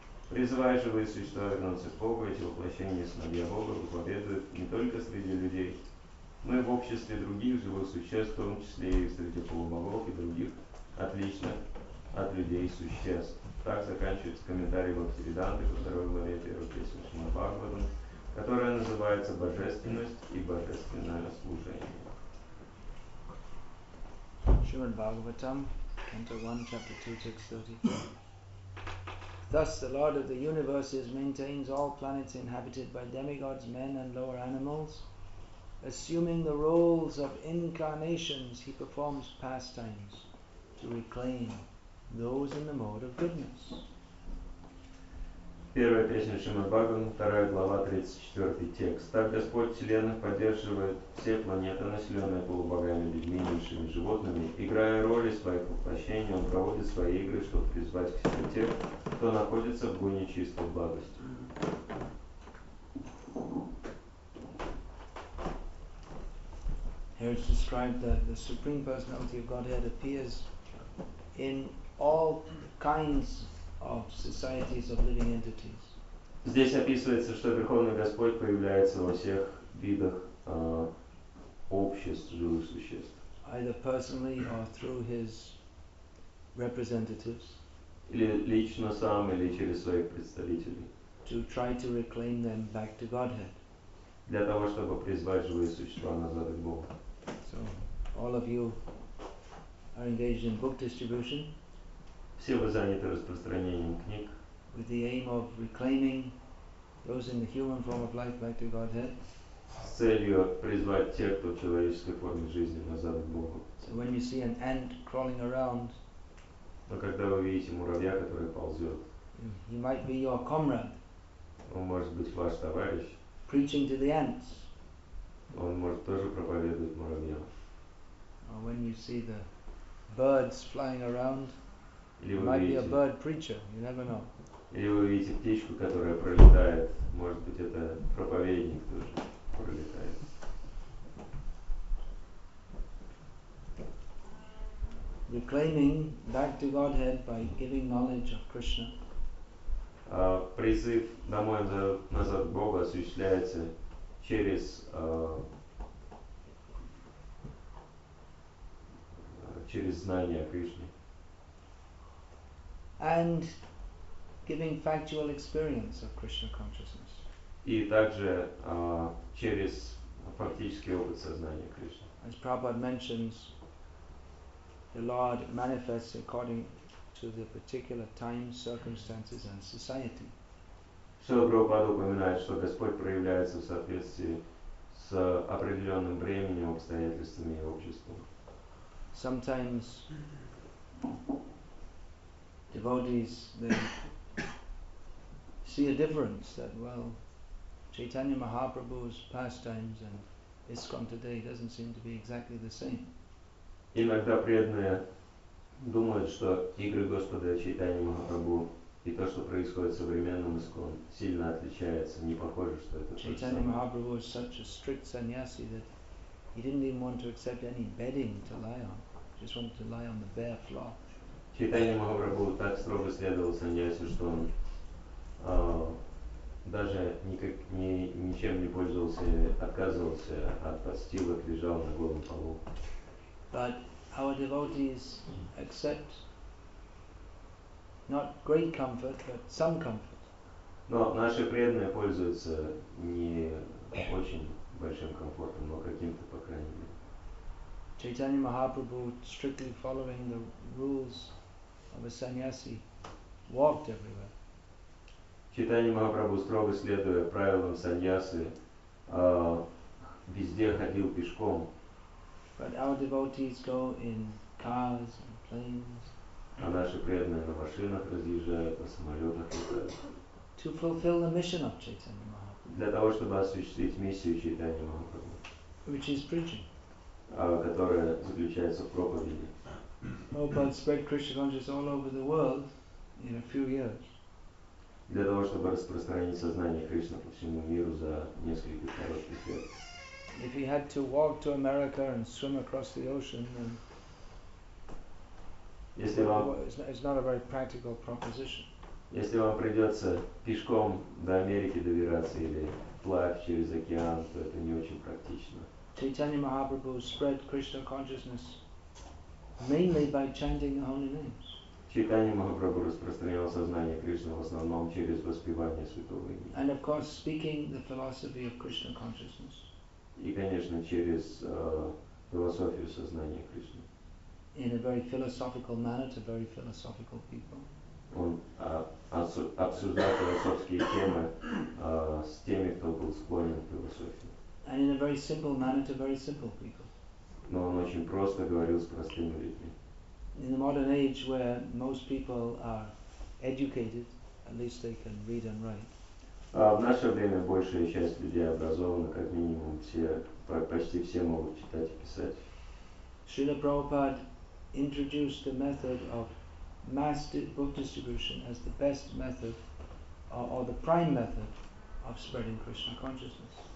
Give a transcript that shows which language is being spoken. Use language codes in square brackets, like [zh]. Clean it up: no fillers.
[ru] Призывая живые существа вернуться к Богу, эти воплощения сыновья Бога выповедуют не только среди людей, но и в обществе других живых существ, в том числе и среди полубогов и других отличных от людей существ. Так заканчивается комментарий Бхактивиданты во второй главе первой песни Шримад Бхагаватам, которая называется «Божественность и божественное служение». [en] Шримад Бхагаватам, Canto 1, Chapter 2, Text 30. Thus the Lord of the universes maintains all planets inhabited by demigods, men and lower animals. Assuming the roles of incarnations, he performs pastimes to reclaim those in the mode of goodness. [ru] Первая песня Шримад Бхагаватам, вторая глава, 34 текст. Так Господь Вселенных поддерживает все планеты, населенные полубогами, людьми и низшими животными. Играя роли своих воплощений, он проводит свои игры, чтобы призвать к себе тех, кто находится в гуне чистой благости. [en] Here it's described that the Supreme Personality of Godhead appears in all kinds of societies of living entities. [ru] Здесь описывается, что Верховный Господь появляется во всех видах обществ живых существ. [en] Either personally or through his representatives. [ru] Или лично сам, или через своих представителей. [en] To try to reclaim them back to Godhead. [ru] Для того, чтобы призвать живые существа назад к Богу. [en] So, all of you are engaged in book distribution. [ru] Все вы заняты распространением книг. [en] With the aim of reclaiming those in the human form of life back to Godhead. [ru] С целью призвать тех, кто в человеческой форме жизни, назад к Богу. [en] So when you see an ant crawling around, [ru] но когда вы видите муравья, который ползет, [en] he might be your comrade. [ru] Он может быть ваш товарищ. [en] Preaching to the ants. [ru] Он может тоже проповедовать муравьям. [en] Or when you see the birds flying around, [ru] или [en] might [ru] видите, [en] be a bird preacher, you never know. [ru] Или вы видите птичку, которая пролетает, может быть, это проповедник тоже пролетает. [en] Reclaiming back to Godhead by giving knowledge of Krishna. [ru] Призыв домой назад к Богу осуществляется через через знание Кришны. [en] And giving factual experience of Krishna consciousness. [ru] И также через фактический опыт сознания Кришны. [en] As Prabhupada mentions, the Lord manifests according to the particular time, circumstances and society. [ru] Шрила Прабхупада упоминает, что Господь проявляется в соответствии с определенным временем, обстоятельствами и обществом. [en] Sometimes devotees, they see a difference that, well, Chaitanya Mahaprabhu's pastimes and ISKCON today doesn't seem to be exactly the same. [ru] Иногда преданные думают, что игры Господа, читание Махапрабху и то, что происходит в современном ИСКОН, сильно отличается, не похоже, что это Chaitanya то же самое. [en] Chaitanya Mahaprabhu was such a strict sannyasi that he didn't even want to accept any bedding to lie on. He just wanted to lie on the bare floor. [ru] Chaitanya Mahaprabhu так строго следовал сannyasi, что он даже никак, ничем не пользовался, отказывался от постилок, лежал на голом полу. [en] But our devotees accept not great comfort, but some comfort. [ru] Но наши преданные пользуются не очень большим комфортом, но каким-то, по крайней мере. [en] Chaitanya Mahaprabhu, strictly following the rules of a sannyasi, walked everywhere. [ru] Chaitanya Mahaprabhu, строго следуя правилам саньясы, везде ходил пешком. [en] But our devotees go in cars and planes. [ru] А наши преданные на машинах разъезжают, на самолетах летают. [en] To fulfill the mission of Chaitanya Mahaprabhu. [ru] Для того, чтобы осуществить миссию Чайтанья Махапрабху. [en] Which is preaching. [ru] Которая заключается в проповеди. [en] Prabhupada spread Krishna consciousness all over the world in a few years. [ru] Для того, чтобы распространить сознание Кришны по всему миру за несколько коротких лет. [en] If he had to walk to America and swim across the ocean, then it's not a very practical proposition. [ru] Если вам придется пешком до Америки добираться или плавать через океан, то это не очень практично. [en] Chaitanya Mahaprabhu spread Krishna consciousness mainly by chanting the holy names. [ru] Chaitanya Mahaprabhu распространял сознание Кришны в основном через воспевание святого имени. [en] And of course, speaking the philosophy of Krishna consciousness. [ru] И, конечно, через философию сознания Кришны. [en] In a very philosophical manner to very philosophical people. [ru] Он обсуждал философские темы с теми, кто был склонен к философии. [en] And in a very simple manner to very simple people. [ru] Но он очень просто говорил с простыми людьми. [en] In the modern age where most people are educated, at least they can read and write. [ru] В наше время большая часть людей образована, как минимум, почти все могут читать и писать. [en] Srila Prabhupada introduced the method of mass book distribution as the best method, or the prime method, of spreading Krishna consciousness.